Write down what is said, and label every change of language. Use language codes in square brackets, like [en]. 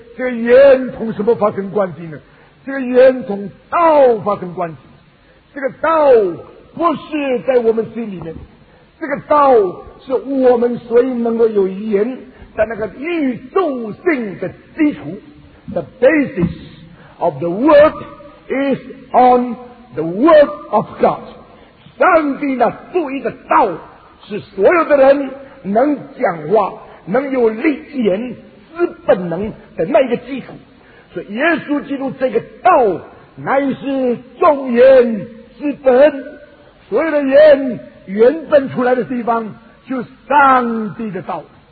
[zh] 这个言从什么发生关系呢？这个言从道发生关系。这个道不是在我们心里面，这个道是我们所以能够有言的那个宇宙性的基础。 [en] The basis of the world is on the word of God。 [zh] 上帝呢注意的道是所有的人能讲话，能有力言之本能的那一个基础。所以耶稣基督这个道乃是众言之本，所有的言原本出来的地方就是上帝的道。